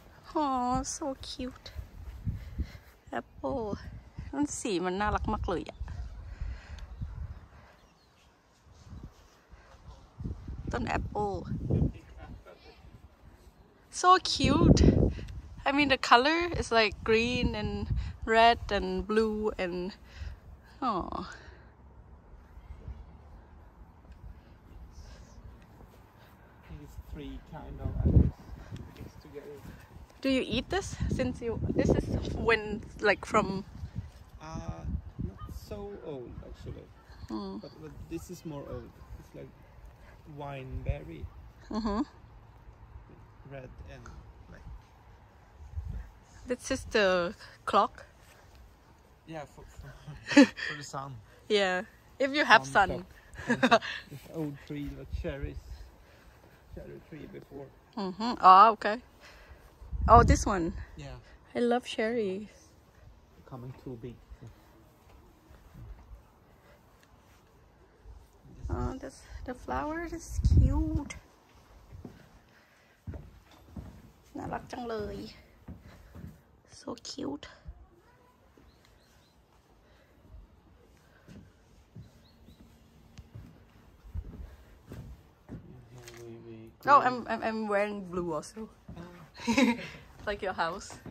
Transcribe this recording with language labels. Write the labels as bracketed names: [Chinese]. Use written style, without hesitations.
[English] ฮ้อ so cute apple [Thai] มันสีมันน่ารักมากเลยอ่ะต้นแอปเปิ้ล [English] so cute I mean the color is like green and red and blue and oh these three kind of apples together. Do you eat this since you this is when like from not so old actually but this is more old it's likeWine berry, mm-hmm. red and black. This is the clock. Yeah, for the sun. Yeah, if you have sun. This old tree, the cherries, cherry tree before. Mm-hmm. Oh, okay. Oh, this one. Yeah. I love cherries. Coming too big. Oh, this, the flower is cute. [Thai] น่ารักจังเลย [English] so cute. Oh, I'm wearing blue also. like your house.